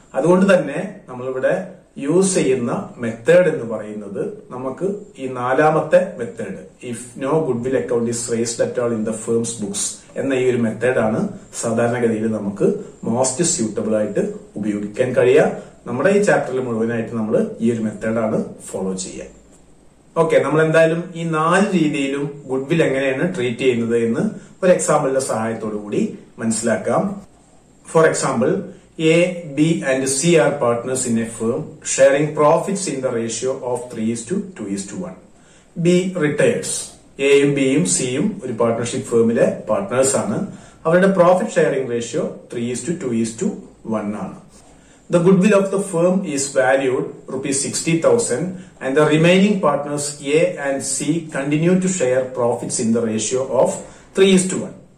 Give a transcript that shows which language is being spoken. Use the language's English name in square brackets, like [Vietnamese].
[Malayalam] അതുകൊണ്ട് തന്നെ നമ്മളിവിടെ യൂസ് ചെയ്യുന്ന മെത്തേഡ് എന്ന് പറയുന്നത് നമുക്ക് ഈ നാലാമത്തെ method, [English] if no goodwill account is raised at all in the firm's books [Malayalam] എന്ന ഈ ഒരു മെത്തേഡാണ് സാധാരണഗതിയിൽ നമുക്ക് മോസ്റ്റ് സ്യൂട്ടബിൾ ആയിട്ട് ഉപയോഗിക്കാൻ കഴിയുക. നമ്മുടെ ഈ ചാപ്റ്ററിൽ മുഴുവനായിട്ട് നമ്മൾ ഈ ഒരു മെത്തേഡാണ് ഫോളോ ചെയ്യുക. ഓക്കെ, നമ്മൾ എന്തായാലും ഈ നാല് രീതിയിലും ഗുഡ്വിൽ എങ്ങനെയാണ് ട്രീറ്റ് ചെയ്യുന്നത് എന്ന് ഒരു എക്സാമ്പിളിന്റെ സഹായത്തോടുകൂടി മനസ്സിലാക്കാം. [English] For example, A, B and C are partners in a firm sharing profits in the ratio of 3:2:1. B retires. [Malayalam] A-യും B-യും C-യും ഒരു പാർട്ണർഷിപ്പ് ഫേമിലെ പാർട്ട്നേഴ്സ് ആണ്. അവരുടെ പ്രോഫിറ്റ് ഷെയറിംഗ് റേഷ്യോ 3:2:1 ആണ്. [English] The goodwill of the firm is valued ₹60,000 and the remaining partners A and C continue to share profits in the ratio of 3:1.